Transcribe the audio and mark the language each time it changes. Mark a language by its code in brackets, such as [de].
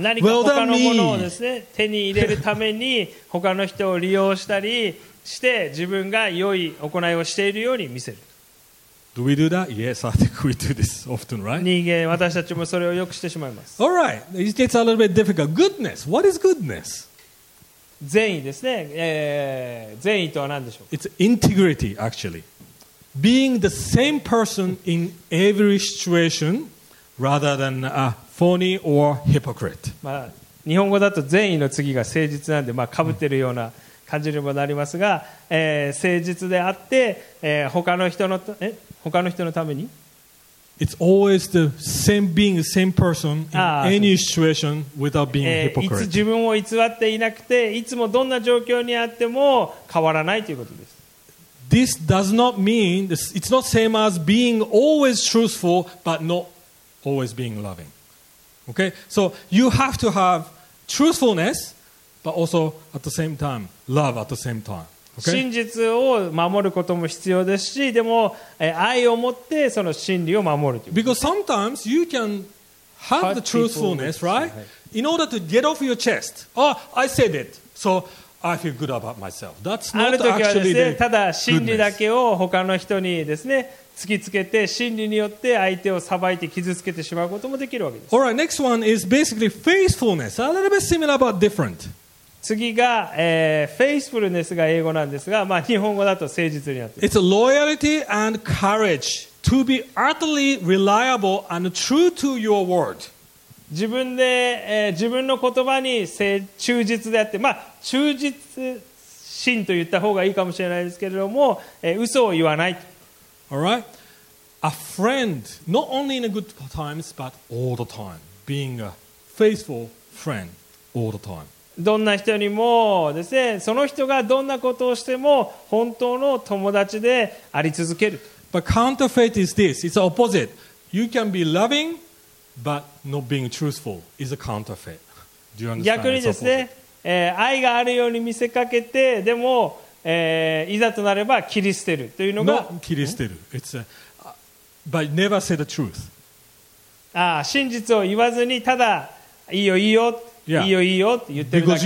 [ja] 何か他のものをですね手に入れるために他の人を利用したりして自分が良い行いをしているように見せる [en] Do we do that? Yes, I think we do this often, right? [ja] 人間、私たちもそれをよくしてしまいます。 [en] All right, it gets a little bit difficult. Goodness, what is goodness? [ja] 善意ですね。善意とは何でしょう? [en] It's integrity, actually. Being the same person in every situation rather than a phony or hypocrite. [ja] まあ、日本語だと善意の次が誠実なんで、まあ、かぶってるような感じにもなりますが、誠実であって、他の人の…他の人のために [en] It's always the same being, same person in any situation without being hypocrite. [ja] いつ自分を偽っていなくて、いつもどんな状況にあっても変わらないということです。 [en] This does not mean, it's not same as being always truthful, but not always being loving. Okay? So you have to have truthfulness, but also at the same time, love at the same time. Okay. [ja] 真実を守ることも必要ですし、でも愛を持ってその真理を守るということ。 [en] Because sometimes you can have the truthfulness, right? In order to get off your chest. Oh, I said it, so I feel good about myself. That's not actually the goodness. [ja] ある時はですね、ただ真理だけを他の人にですね、突きつけて真理によって相手を裁いて傷つけてしまうこともできるわけです。 [en] All right, next one is basically faithfulness. A little bit similar but different. [ja] 次が、faithfulness が英語なんですが、まあ、日本語だと誠実になっています [en] 。It's loyalty and courage to be utterly reliable and true to your word. [ja] 自分で、自分の言葉に忠実であって、まあ、忠実心と言った方がいいかもしれないですけれども、嘘を言わない。 [en] All right. A friend, not only in the good times, but all the time. Being a faithful friend all the time. [ja] どんな人にもですね、その人がどんなことをしても本当の友達であり続ける。 [en] But counterfeit is this. It's opposite. You can be loving, but not being truthful is a counterfeit. Do you understand? [ja] 逆にですね、愛があるように見せかけて、でも、いざとなれば切り捨てるというのが。 [en] Not [ja] 切り捨てる。 [en] It's a, but never say the truth. [ja] ああ、真実を言わずにただいいよいいよ。 [en] Yeah. [ja] いいよいいよって言ってるだけ。